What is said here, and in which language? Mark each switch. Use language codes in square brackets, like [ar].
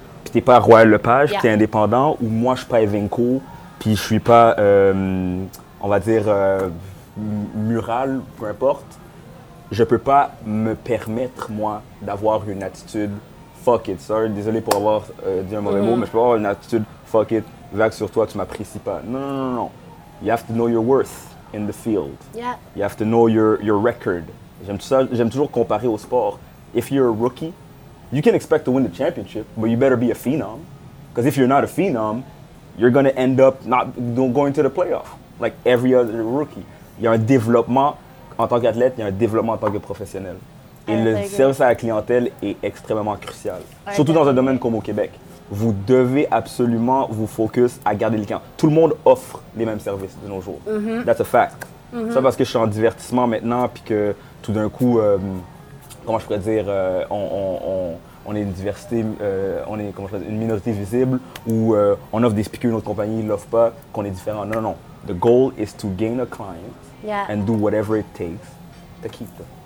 [fr] Puis t'es pas Royal Lepage, t'es indépendant, ou moi je suis pas Evenco, puis je suis pas, on va dire, mural, peu importe. Je peux pas me permettre, moi, d'avoir une attitude [en] fuck it, sir. [fr] Désolé pour avoir dit un mauvais mot, mais je peux pas avoir une attitude [en] fuck it, [fr] vague sur toi, tu m'apprécies pas. Non. [en] You have to know your worth in the field. Yeah. You have to know your record. [fr] J'aime toujours comparer au sport. [en] If you're a rookie, you can expect to win the championship, but you better be a phenom. Because if you're not a phenom, you're going to end up not going to the playoff, like every other rookie. [fr] Il y a un développement en tant qu'athlète, il y a un développement en tant que professionnel. Et le service à la clientèle est extrêmement crucial. Surtout dans un domaine comme au Québec. Vous devez absolument vous focus à garder les clients. Tout le monde offre les mêmes services de nos jours. Mm-hmm. [en] That's a fact. Mm-hmm. [fr] Ça, parce que je suis en divertissement maintenant, puis que tout d'un coup, comment je pourrais dire, on est une diversité, on est comment je pourrais dire, une minorité visible, ou on offre des speakers à une autre compagnie, ils ne l'offrent pas, qu'on est différent. Non, non, non. [en] The goal is to gain a client and do whatever it takes to keep them.